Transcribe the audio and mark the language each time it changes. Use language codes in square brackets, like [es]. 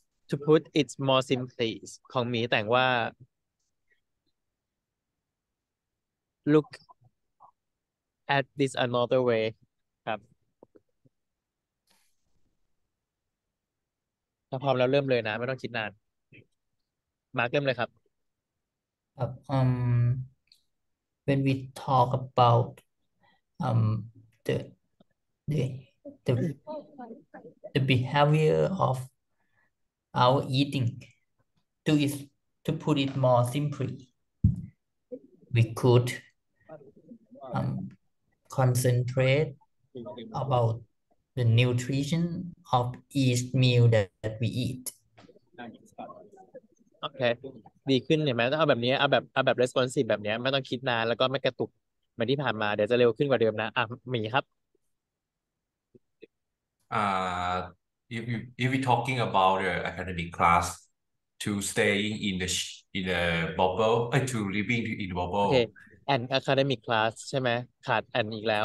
[en] To put it more simply [th] ของมีแต่งว่า [en] look at this another way [th] ครับถ้าพร้อมแล้วเริ่มเลยนะไม่ต้องคิดนานมาร์กเริ่มเลยครับ [en] When we talk about the behavior of our eating, to put it more simply, we could concentrate about the nutrition of each meal that we eat. [th] โอเคดีขึ้นเห็นไหมต้องเอาแบบนี้เอาแบบ [en] responsive [th] แบบนี้ไม่ต้องคิดนานแล้วก็ไม่กระตุกเหมือนที่ผ่านมาเดี๋ยวจะเร็วขึ้นกว่าเดิมนะอ่ะหมีครับ [en] If we're talking about the academic class, to staying in the bubble, to living in the โอเค bubble, an academic class [th] ใช่ไหมขาดอันอีกแล้ว